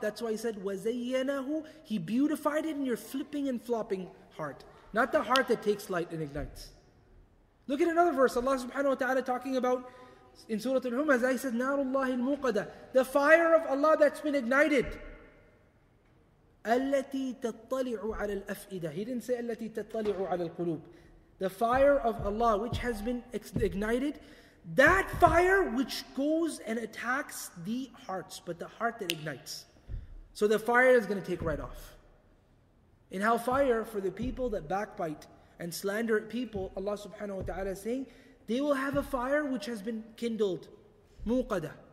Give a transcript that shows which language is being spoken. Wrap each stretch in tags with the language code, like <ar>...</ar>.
<en>That's why he said,</en> <ar>وَزَيَّنَهُ.</ar> <en>He beautified it in your flipping and flopping heart. Not the heart that takes light and ignites. Look at another verse. Allah subhanahu wa ta'ala talking about, in Surah Al-Humaz, he said,</en> <ar>نَارُ اللَّهِ الْمُوْقَدَةِ.</ar> <en>The fire of Allah that's been ignited.</en> <ar>أَلَّتِي تَطَّلِعُ عَلَى الْأَفْئِدَةِ.</ar> <en>He didn't say,</en> <ar>أَلَّتِي تَطَّلِعُ عَلَى الْقُلُوبِ.</ar> <en>The fire of Allah which has been ignited, that fire which goes and attacks the hearts, but the heart that ignites. So the fire is going to take right off. In hellfire, for the people that backbite and slander people, Allah subhanahu wa ta'ala is saying, they will have a fire which has been kindled. Muqada.</en>